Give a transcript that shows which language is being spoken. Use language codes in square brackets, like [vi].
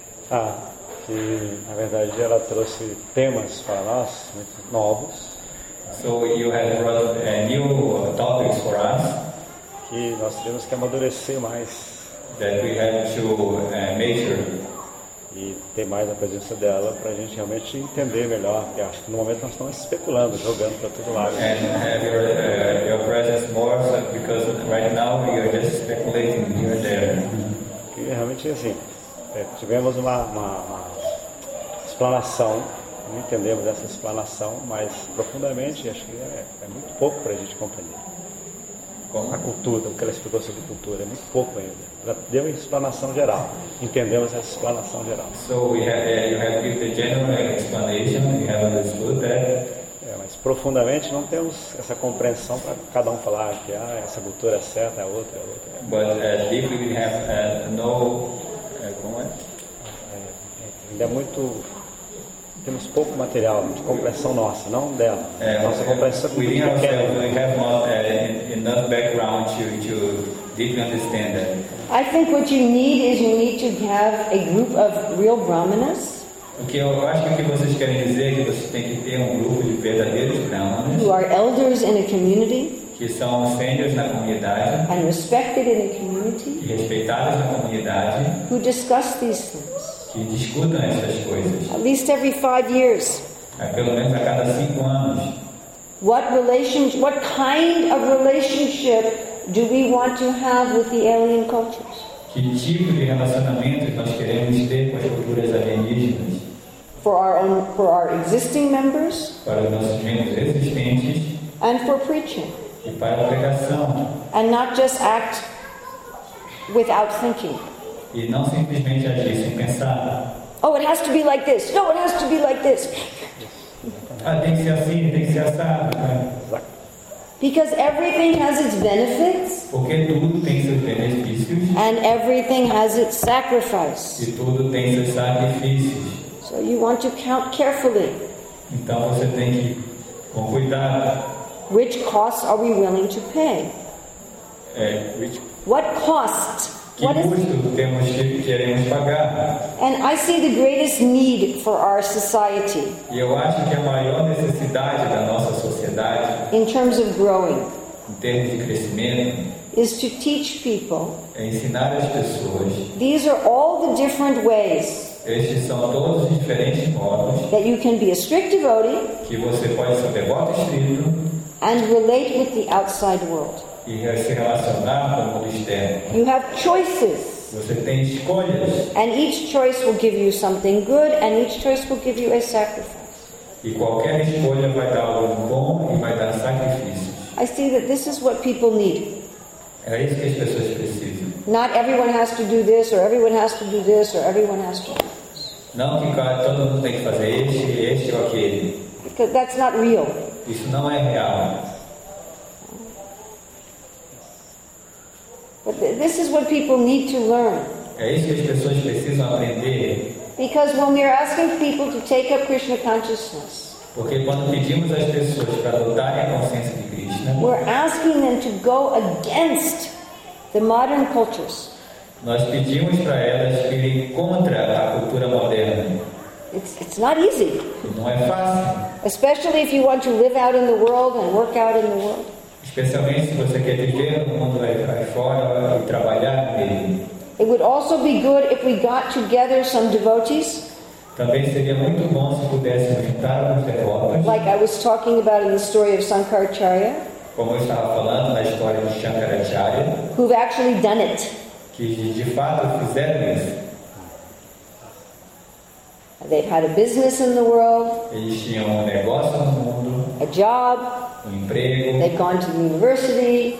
[pt] Ah, que na verdade ela trouxe temas para nós muito novos. [en] So you had brought new topics for us. [pt] Que nós temos que amadurecer mais. [en] That we have to measure. [pt] E ter mais a presença dela para a gente realmente entender melhor. Porque acho que no momento nós estamos especulando, jogando para todo lado. [en] And have your presence more, so because right now we are just speculating here and there. [pt] Que realmente assim, tivemos uma explanação, não entendemos essa explanação, mas profundamente acho que é muito pouco para a gente compreender. Como? A cultura, o que ela explicou sobre cultura, é muito pouco ainda. Já deu uma explanação geral. Entendemos essa explanação geral. [en] So we have, you have given the general explanation, we have understood that. [pt] É, mas profundamente não temos essa compreensão para cada um falar que ah, essa cultura é certa, é outra, é outra. [en] But deeply we have no. [pt] Como é? Ainda é muito. Temos pouco material de compreensão nossa, não dela. Nossa compreensão [en] we [pt] do que é. [en] We have not enough background to deeply understand that. I think what you need is you need to have a group of real brahmanas. [pt] Okay, eu acho que vocês querem dizer que vocês têm que ter um grupo de verdadeiros brahmanas. [en] Who are elders in a community. [pt] Que são seniors na comunidade. [en] And respected in a community. [pt] E respeitados na comunidade. [en] Who discuss these things. [pt] Que discutam essas coisas. [en] At least every 5 years. [pt] É pelo menos a cada 5 anos. [en] What relationship? What kind of relationship do we want to have with the alien cultures? [pt] Que tipo de relacionamento nós queremos ter com as culturas alienígenas? [en] For our existing members. [pt] Para os nossos membros existentes. [en] And for preaching. [pt] E para a pregação. [en] And not just act without thinking. [pt] E não simplesmente agir sem pensar. [en] Oh, it has to be like this. No, it has to be like this. [pt] Ah, tem que ser assim, tem que ser assado. [en] Because everything has its benefits. [pt] Porque tudo tem seus benefícios. [en] And everything has its sacrifice. [pt] E tudo tem seus sacrifícios. [en] So you want to count carefully. [pt] Então você tem que com cuidado. [en] Which costs are we willing to pay? What costs? [pt] Que custo temos que queremos pagar? [en] And I see the greatest need for our society. [pt] E eu acho que a maior necessidade da nossa sociedade, [en] in terms of growing, [pt] em termos de crescimento, [en] is to teach people, [pt] é ensinar as pessoas. [en] These are all the different ways. [pt] Estes são todos os diferentes modos. [en] That you can be a strict devotee. [pt] Que você pode ser devoto estrito. [en] And relate with the outside world. [pt] E se relacionar com o mundo externo. [en] You have choices. [pt] Você tem escolhas. [en] And each choice will give you something good, and each choice will give you a sacrifice. [pt] E qualquer escolha vai dar algo bom e vai dar sacrifícios. [en] I see that this is what people need. [pt] É isso que as pessoas precisam. [en] Not everyone has to do this, or everyone has to do this, or everyone has to. [pt] Não, que todo mundo tem que fazer este ou aquele. [en] Because that's not real. [pt] Isso não é real. [en] But this is what people need to learn. [pt] É isso que as pessoas precisam aprender. [en] Because when we are asking people to take up Krishna consciousness, [pt] porque quando pedimos às pessoas para adotarem a consciência de Krishna, [en] we're asking them to go against the modern cultures. [pt] Nós pedimos para elas irem contra a cultura moderna. [en] It's not easy. [pt] Não é fácil. [en] Especially if you want to live out in the world and work out in the world. [pt] Especialmente se você quer viver no mundo aí fora e trabalhar nele. [en] It would also be good if we got together some devotees. [pt] Também seria muito bom se pudéssemos juntar alguns devotos. [en] Like I was talking about in the story of Shankaracharya. [pt] Como eu estava falando na história de Shankaracharya. [en] Who've actually done it. [pt] Que de fato fizeram isso. [en] They've had a business in the world. [pt] Eles tinham um negócio no mundo. [en] A job. [pt] Um emprego. [en] They've gone to the university.